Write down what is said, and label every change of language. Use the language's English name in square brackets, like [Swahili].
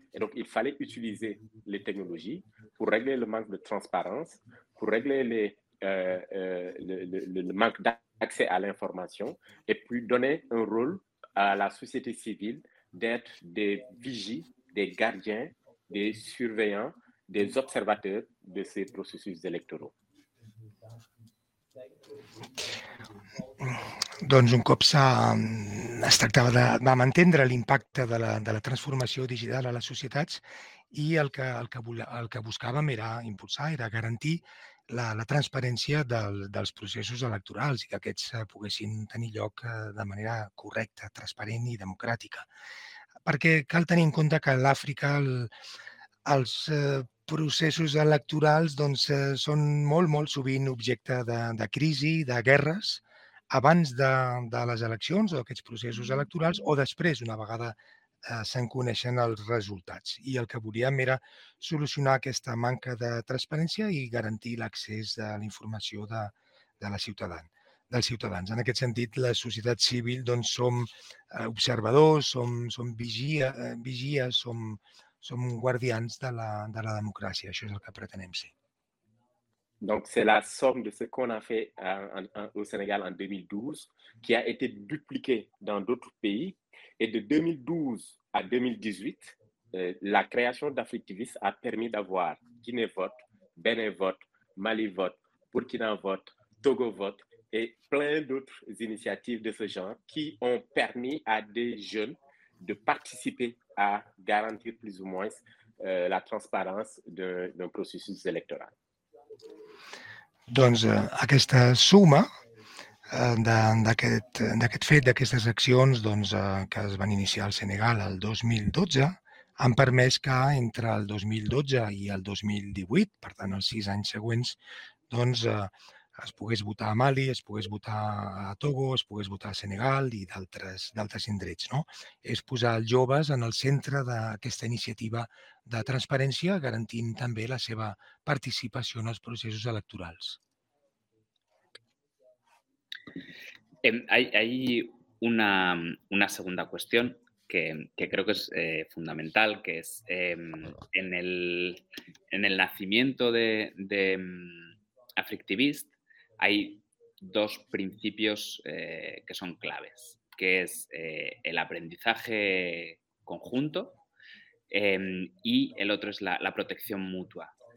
[French] Et donc, il fallait utiliser les technologies pour régler le manque de transparence, pour régler le manque d'accès à l'information et puis donner un rôle à la société civile d'être des vigies, des gardiens, des surveillants, des observateurs de ces processus électoraux. [Catalan] Doncs un cop es tractava de mantenir l'impacte de la transformació digital a les societats i el que buscàvem era impulsar, era garantir la transparència dels processos electorals i que aquests poguessin tenir lloc de manera correcta, transparent i democràtica. Perquè cal tenir en compte que a l'Àfrica els processos electorals doncs, són molt, molt sovint objecte de crisi, de guerres, abans de les eleccions o d'aquests processos electorals o després, una vegada se'n coneixen els resultats. I el que volíem era solucionar aquesta manca de transparència i garantir l'accés a la informació dels ciutadans. En aquest sentit, la societat civil doncs, som observadors, som vigies, som guardians de la democràcia. Això és el que pretenem ser. [French] Donc, c'est la somme de ce qu'on a fait au Sénégal en 2012 qui a été dupliqué dans d'autres pays. Et de 2012 à 2018, la création d'Afriktivist a permis d'avoir Guinée-Vote, Bénin-Vote, Mali-Vote, Burkina-Vote, Togo-Vote et plein d'autres initiatives de ce genre qui ont permis à des jeunes de participer à garantir plus ou moins la transparence d'un processus électoral. [Catalan] Doncs aquesta suma d'aquest fet, d'aquestes accions doncs, que es van iniciar al Senegal el 2012 han permès que entre el 2012 i el 2018, per tant els 6 anys següents, doncs, es pogués votar a Mali, es pogués votar a Togo, es pogués votar a Senegal i d'altres indrets. No? És posar els joves en el centre d'aquesta iniciativa de transparència, garantint també la seva participació en els processos electorals. [Spanish] Hay una segunda cuestión que creo que es fundamental, que es en el nacimiento de Afriktivist hay dos principios que son claves, que es el aprendizaje conjunto y el otro es la protección mutua.